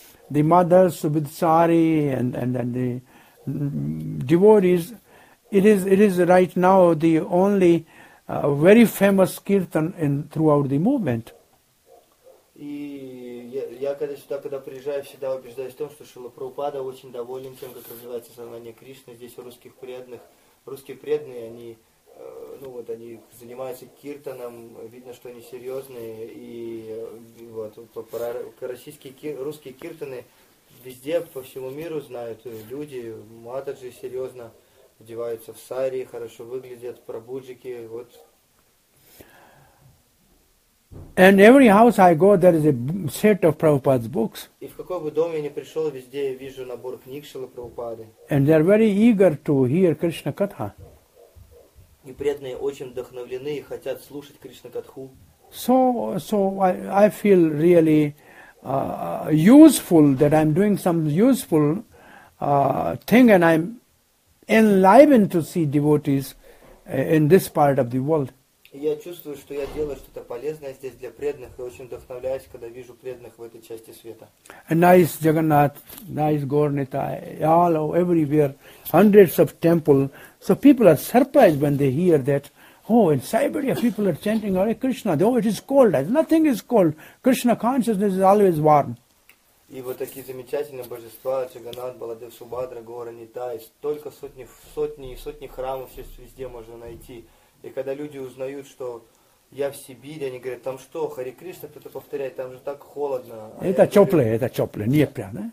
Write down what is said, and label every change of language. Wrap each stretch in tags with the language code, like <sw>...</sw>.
<en>The mothers, Subhidsari, and the devotees, it is right now the only very famous kirtan in throughout the movement.</en> <ru>И я когда сюда, когда приезжаю, всегда убеждаюсь в том, что Шрила Прабхупада очень доволен тем, как развивается сознание Кришны здесь у русских преданных. Русские преданные, они ну вот они занимаются киртаном, видно, что они серьезные, и вот русские киртаны везде по всему миру знают люди, матаджи серьезно одеваются в сари, хорошо выглядят, прабуджики, вот.</ru> <en>And every house I go, there is a set of Prabhupada's books.</en> <ru>И в какой бы дом я ни пришел, везде я вижу набор книг Шрилы Прабхупады.</ru> <en>And they are very eager to hear Krishna Katha.</en> <ru>И преданные очень вдохновлены и хотят слушать Кришна Катху.</ru> <en>So I feel really useful that I'm doing some useful thing and I'm enlivened to see devotees in this part of the world.</en> <ru>И я чувствую, что я делаю что-то полезное здесь для преданных и очень вдохновляюсь, когда вижу преданных в этой части света.</ru> <en>A nice Jagannath, nice Gornitai, all everywhere, hundreds of temples. So people are surprised when they hear that, oh, in Siberia people are chanting Hare Krishna, though it is cold, nothing is cold, Krishna consciousness is always warm.</en> <ru>И вот такие замечательные божества, Джаганнат, Баладев Субхадра, Горанитай, столько сотни храмов везде можно найти. И когда люди узнают, что я в Сибири, они говорят, там что, Хари Кришна кто-то повторяет, там же так холодно. Это теплое, не прям, да?</ru>